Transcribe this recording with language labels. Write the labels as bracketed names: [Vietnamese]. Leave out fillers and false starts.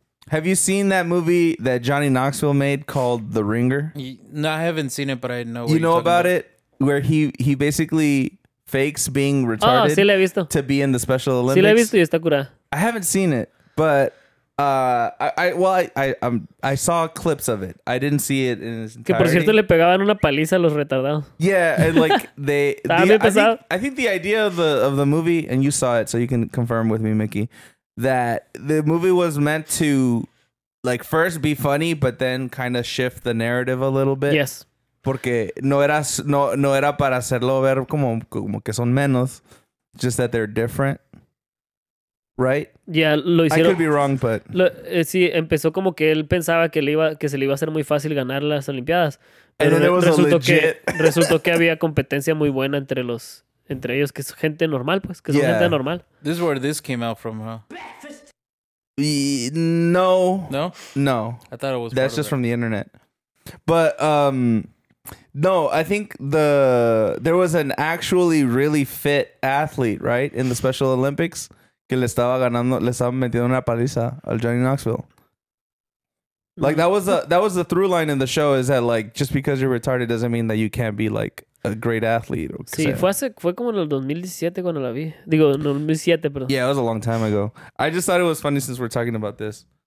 [English] Have you seen that movie that Johnny Knoxville made called The Ringer? No, I haven't seen it, but I know what you know about, it? Where he basically fakes being retarded. [Spanish] Oh, sí, le he visto. [English] To be in the Special Olympics. [Spanish] Sí, le he visto y está curada. [English] I haven't seen it, but I saw clips of it. I didn't see it in its entirety. [Spanish] Que por cierto le pegaban una paliza a los retardados. [English] Yeah, and like they. I think the idea of the movie, and you saw it, so you can confirm with me, Mickey, that the movie was meant to, like, first be funny, but then kind of shift the narrative a little bit. Yes. [Spanish] Porque no era para hacerlo ver como que son menos, [English] just that they're different. Right? [Spanish] Yeah, lo hicieron. [English] I could be wrong, but [Spanish] sí, empezó como que él pensaba que se le iba a hacer muy fácil ganar las Olimpiadas. Pero resultó que había competencia muy buena entre ellos, que es gente normal, pues, que son [English] yeah. [Spanish] gente normal. [English] This is where this came out from, huh? No. No? No. I thought it was That's just it. From the internet. But no, I think there was an actually really fit athlete, right, in the Special Olympics. [Spanish] Que le estaba ganando, le estaba metiendo una paliza al Johnny Knoxville. [English] Like, that was the through line in the show, is that, like, just because you're retarded doesn't mean that you can't be, like, a great athlete. [Spanish] Sí, fue como en el 2017 cuando la vi. Digo, en 2007, perdón. [English] Yeah, it was a long time ago. I just thought it was funny since we're talking about this.